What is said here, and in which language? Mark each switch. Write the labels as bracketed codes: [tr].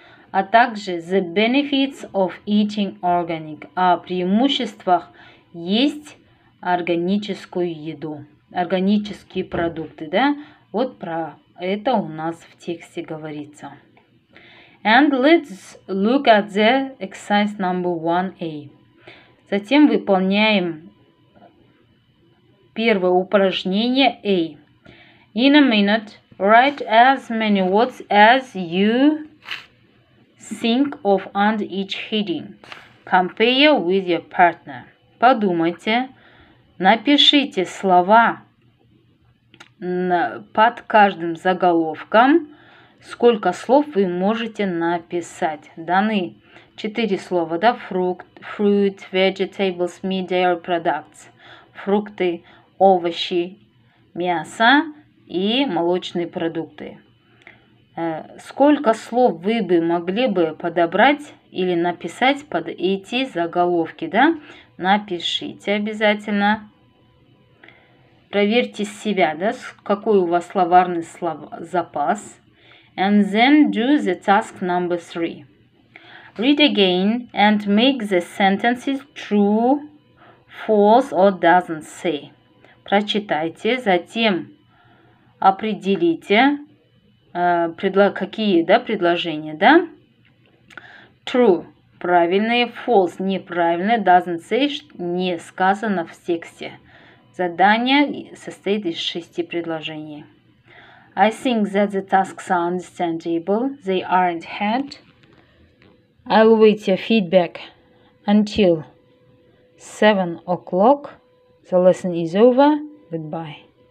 [ru] А также [en] the benefits of eating organic, [ru] о преимуществах есть органическую еду, органические продукты, да? Вот про это у нас в тексте говорится. [en] And let's look at the exercise number 1A. [ru] Затем выполняем первое упражнение A. [en] In a minute, write as many words as you think of under each heading. Compare with your partner. [ru] Подумайте, напишите слова под каждым заголовком, сколько слов вы можете написать. Даны 4 слова, да? [en] Fruit, vegetables, meat, dairy products. [ru] Фрукты, овощи, мясо и молочные продукты. Сколько слов вы бы могли бы подобрать или написать под эти заголовки, да? Напишите обязательно. Проверьте себя, да, какой у вас словарный запас. [en] And then do the task number 3. Read again and make the sentences true, false or doesn't say. [ru] Прочитайте, затем определите. Предложения, да? True – правильные, false – неправильные, [en] doesn't say [ru] – не сказано в тексте. Задание состоит из 6 предложений. [en] I think that the tasks are understandable, they aren't hard. I'll wait your feedback until 7 o'clock. The lesson is over. Goodbye.